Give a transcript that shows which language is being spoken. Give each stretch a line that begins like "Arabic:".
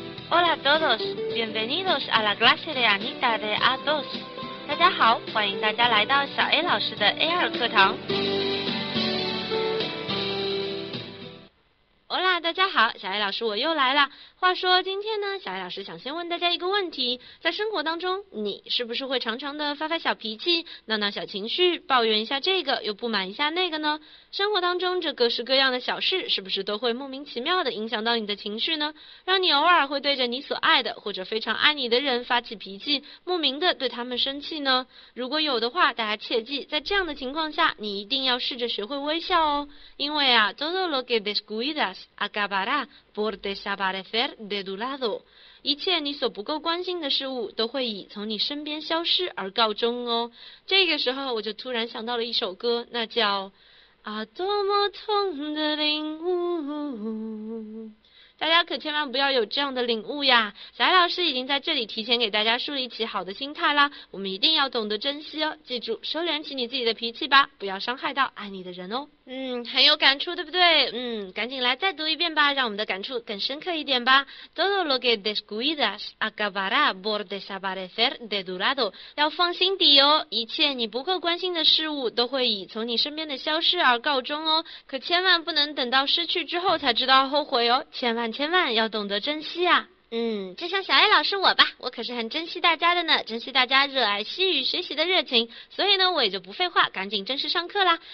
Spanish: Hola a todos, bienvenidos a la clase de Anita de A2.
Chinese: 大家好，欢迎大家来到小 A 老师的 AR 课堂。 Hola， 大家好，小 A 老师我又来了。话说今天呢，小 A 老师想先问大家一个问题，在生活当中，你是不是会常常的发发小脾气，闹闹小情绪，抱怨一下这个，又不满一下那个呢？生活当中这各式各样的小事，是不是都会莫名其妙的影响到你的情绪呢？让你偶尔会对着你所爱的，或者非常爱你的人发起脾气，莫名的对他们生气呢？如果有的话，大家切记，在这样的情况下，你一定要试着学会微笑哦，因为啊 ，
Spanish: todo lo que descuidas。 Acabará por desaparecer de tu lado.
Chinese: 一切你所不够关心的事物都会以从你身边消失而告终哦。这个时候我就突然想到了一首歌，那叫啊多么痛的领悟。大家可千万不要有这样的领悟呀，小艾老师已经在这里提前给大家树立起好的心态啦，我们一定要懂得珍惜哦，记住收敛起你自己的脾气吧，不要伤害到爱你的人哦。嗯，很有感触对不对？嗯，赶紧来再读一遍吧，让我们的感触更深刻一点吧。
Spanish: Todo lo que descuidas acabará por desaparecer de tu lado.
Chinese: 要放心底哦，一切你不够关心的事物都会以从你身边的消失而告终哦，可千万不能等到失去之后才知道后悔哦，千万要懂得珍惜啊。嗯，就像小 A 老师我吧，我可是很珍惜大家的呢，珍惜大家热爱西语学习的热情，所以呢我也就不废话，赶紧正式上课啦。